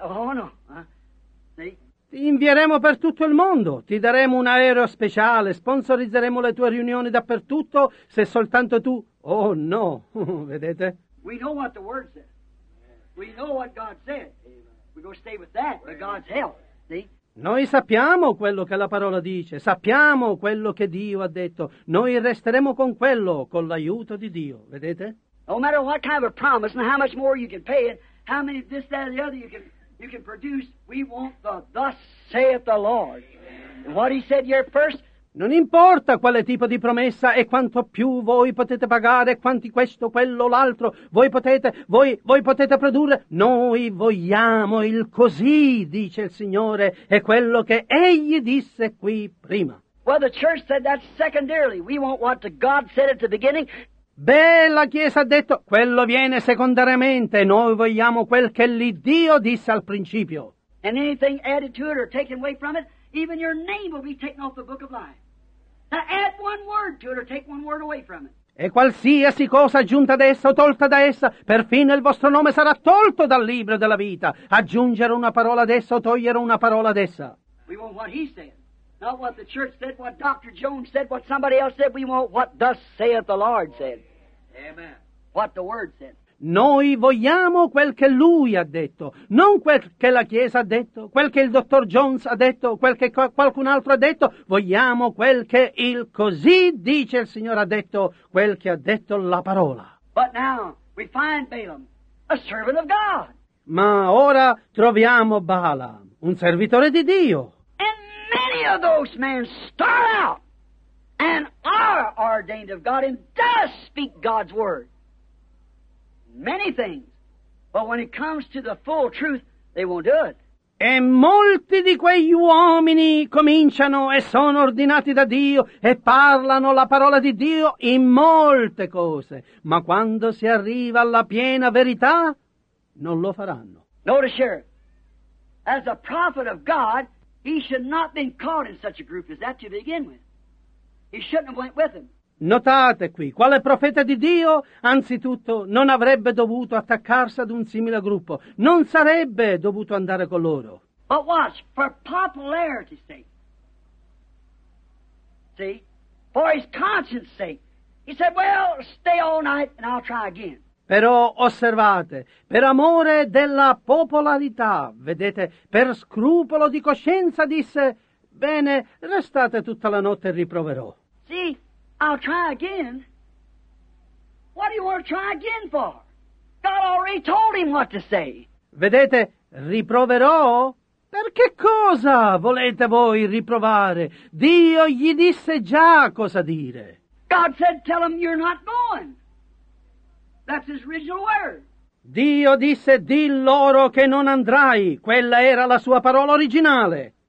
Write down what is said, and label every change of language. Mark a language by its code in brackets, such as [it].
[en] Oh, no. See? [it] Ti invieremo per tutto il mondo. Ti daremo un aereo speciale. Sponsorizzeremo le tue riunioni dappertutto se soltanto tu... [en] Oh, no. [it] Vedete? [en] We know what the word says. We know what God said. We're going to stay with that, with God's help. See? [it] Noi sappiamo quello che la parola dice, sappiamo quello che Dio ha detto. Noi resteremo con quello, con l'aiuto di Dio, vedete? [en] No matter what kind of a promise and how much more you can pay it, how many this, that, and the other you can produce, we want the thus saith the Lord. What he said here first. [it] Non importa quale tipo di promessa e quanto più voi potete pagare, quanti questo, quello, l'altro, voi potete produrre. Noi vogliamo il così, dice il Signore, è quello che Egli disse qui prima. [en] Well, the church said that secondarily. We want what God said at the beginning. [it] Beh, la Chiesa ha detto, quello viene secondariamente, noi vogliamo quel che l'Iddio disse al principio. [en] And anything added to it or taken away from it, even your name will be taken off the book of life. Now add one word to it or take one word away from it. [it] E qualsiasi cosa aggiunta ad essa o tolta da essa, perfino il vostro nome sarà tolto dal libro della vita. Aggiungere una parola ad essa o togliere una parola ad essa. [en] We want what he said, not what the church said, what Dr. Jones said, what somebody else said. We want what thus saith the Lord said. Amen. What the word said. [it] Noi vogliamo quel che lui ha detto, non quel che la Chiesa ha detto, quel che il dottor Jones ha detto, quel che qualcun altro ha detto. Vogliamo quel che il così dice il Signore ha detto, quel che ha detto la parola. [en] But now we find Balaam, a servant of God. [it] Ma ora troviamo Balaam, un servitore di Dio. [en] And many of those men start out and are ordained of God and does speak God's word. Many things, but when it comes to the full truth, they won't do it. [it] E molti di quegli uomini cominciano e sono ordinati da Dio e parlano la parola di Dio in molte cose, ma quando si arriva alla piena verità, non lo faranno. [en] Notice here, as a prophet of God, he should not have been caught in such a group as that to begin with. He shouldn't have went with him. [it] Notate qui, quale profeta di Dio, anzitutto, non avrebbe dovuto attaccarsi ad un simile gruppo, non sarebbe dovuto andare con loro. [en] But watch, for popularity's sake, see, for his conscience sake, he said, well, stay all night and I'll try again. [it] Però osservate, per amore della popolarità, vedete, per scrupolo di coscienza, disse, bene, restate tutta la notte e riproverò. [en] Sì. I'll try again. What do you want to try again for? God already told him what to say. [it] Vedete, riproverò? Per che cosa volete voi riprovare? Dio gli disse già cosa dire. [en] God said, tell him you're not going. That's his original word. [it] Dio disse, di loro che non andrai. Quella era la sua parola originale.